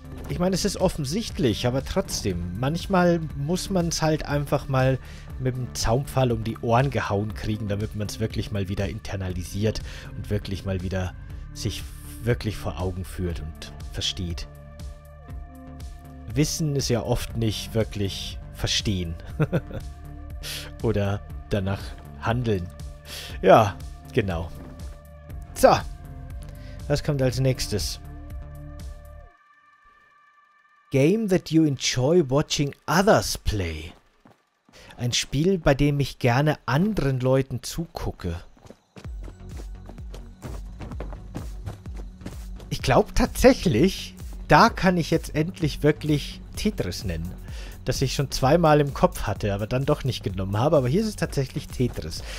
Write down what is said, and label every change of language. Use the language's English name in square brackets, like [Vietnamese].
[German] Ich meine, es ist offensichtlich, aber trotzdem, manchmal muss man es halt einfach mal mit dem Zaumpfahl um die Ohren gehauen kriegen, damit man es wirklich mal wieder internalisiert und wirklich mal wieder sich wirklich vor Augen führt und versteht. Wissen ist ja oft nicht wirklich verstehen. Oder danach handeln. Ja, genau. So, was kommt als nächstes? [English] Game that you enjoy watching others play. [German] Ein Spiel, bei dem ich gerne anderen Leuten zugucke. Ich glaube tatsächlich, da kann ich jetzt endlich wirklich Tetris nennen. Das ich schon zweimal im Kopf hatte, aber dann doch nicht genommen habe. Aber hier ist es tatsächlich Tetris.